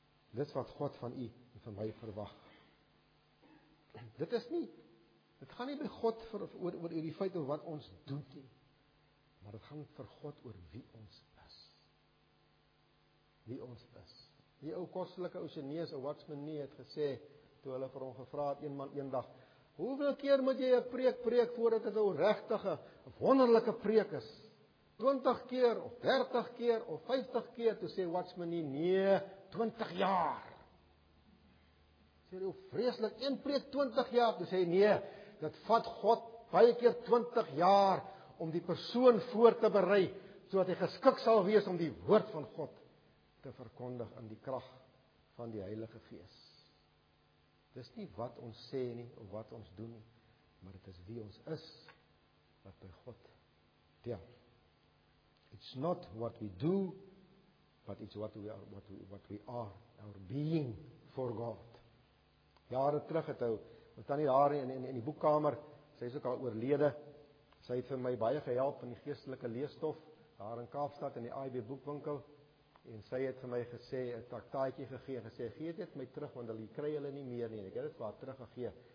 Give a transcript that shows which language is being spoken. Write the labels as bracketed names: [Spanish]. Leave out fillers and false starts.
[Afrikaans] Dis wat God van u en van my verwag. Dit is nie, dit gaan nie by God oor die feit of wat ons doen nie. Maar dit gaan vir God oor wie ons is. Wie ons is. Die ou kostelike ou Chinese, ou Watchman Nee, het gesê, toe hulle vir hom gevra het, een man een dag, hoeveel keer moet jy 'n preek voordat dit 'n regtige, wonderlike preek is? 20 keer, of 30 keer, of 50 keer, toe sê Watchman Nee, nee, 20 jaar. Sê hy, vreeslik, een preek 20 jaar, toe sê hy, nee, dit vat God baie keer 20 jaar, om die persoon voor te berei, sodat hy geskik sal wees om die woord van God te verkondig in die krag van die Heilige Gees. Dit is nie wat ons sê nie, of wat ons doen nie, maar dit is wie ons is, wat by God tel. [English] It's not what we do, but it's what we are, what we are, our being for God. [Afrikaans] Jare terug het hou, met tannie daar in die boekkamer, sy is ook al oorlede, sy het vir my baie gehelp in die geestelike leesstof, daar in Kaapstad in die IB boekwinkel, en sy het vir my gesê, 'n taktaatjie gegee, gesê, gee dit my terug, want hulle kry hulle nie meer nie, en ek het dit vir haar teruggegee.